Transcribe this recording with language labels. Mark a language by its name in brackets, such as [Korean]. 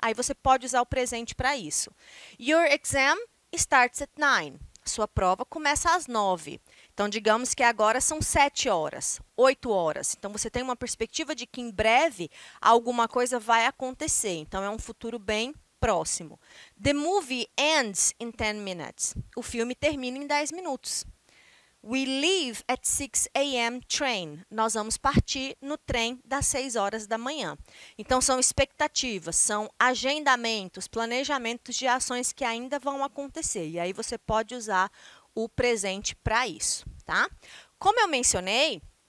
[Portuguese] Aí você pode usar o presente para isso. [English] Your exam starts at 9. [Portuguese] Sua prova começa às 9. Então, digamos que agora são 7 horas, 8 horas. Então, você tem uma perspectiva de que em breve alguma coisa vai acontecer. Então, é um futuro bem próximo. [English] The movie ends in 10 minutes. [Portuguese] O filme termina em 10 minutos. [English] We leave at 6 a.m. train. [Portuguese] Nós vamos partir no trem das 6 horas da manhã. Então, são expectativas, são agendamentos, planejamentos de ações que ainda vão acontecer. E aí você pode usar o presente para isso, tá? Como eu mencionei,